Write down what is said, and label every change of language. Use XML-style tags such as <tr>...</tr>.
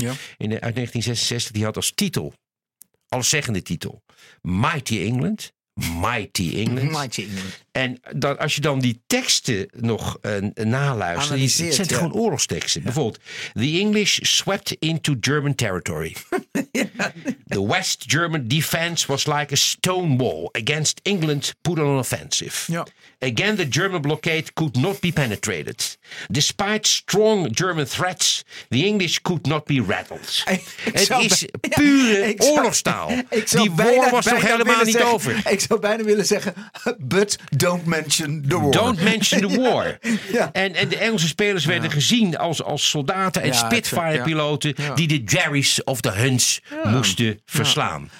<nl>Ja. Uit 1966. Die had als titel, alleszeggende titel, Mighty England. Mighty England.</nl> <en>Mighty England.</en> <nl>En dan, als je dan die teksten nog naluistert. Het zijn gewoon oorlogsteksten. Ja. Bijvoorbeeld,</nl> <en>the English swept into German territory. The West German defense was like a stone wall against England put on an offensive.</en> <nl>Ja.</nl> <en>Again, the German blockade could not be penetrated. Despite strong German threats, the English could not be rattled.</en> <nl>Het is pure oorlogstaal. Die war was nog helemaal niet over. Ik zou bijna willen zeggen,</nl> <en>but don't mention the war. Don't mention the war.</en> <nl>Ja. En de Engelse spelers werden gezien als soldaten en Spitfire-piloten die de Jerry's of de Huns moesten verslaan.</nl>